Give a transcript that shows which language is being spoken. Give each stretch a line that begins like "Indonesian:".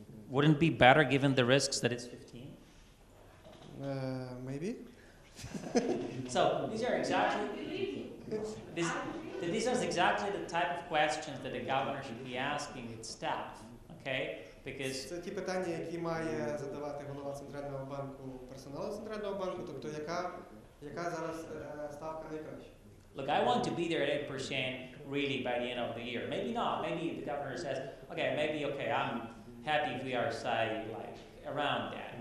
English: Wouldn't it be better given the risks that it's 15? Maybe. So, these are exactly the type of questions that the governor should be asking its staff, okay? Because
Ukrainian: це ті питання, які має задавати голова центрального банку персоналу центрального банку, тобто яка зараз ставка найкраща.
English: Look, I want to be there at 8% really by the end of the year. Maybe not. Maybe the governor says, okay, maybe okay, I'm happy if we are say like around that.